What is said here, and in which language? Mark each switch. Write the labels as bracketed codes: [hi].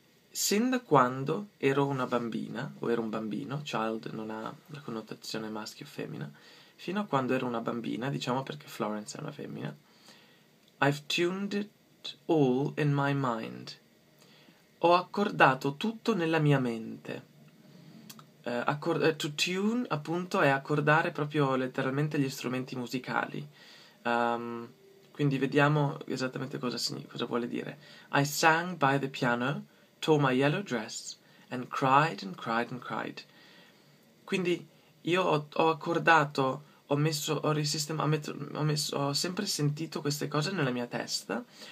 [it] Sin da quando ero una bambina, o ero un bambino, child non ha la connotazione maschio o femmina, fino a quando ero una bambina, diciamo perché Florence è una femmina, [en] I've tuned it all in my mind. [it] Ho accordato tutto nella mia mente. To tune, appunto, è accordare proprio letteralmente gli strumenti musicali. Quindi vediamo esattamente cosa vuole dire. [en] I sang by the piano, tore my yellow dress, and cried and cried and cried. [it] Quindi io ho sempre sentito queste cose nella mia testa.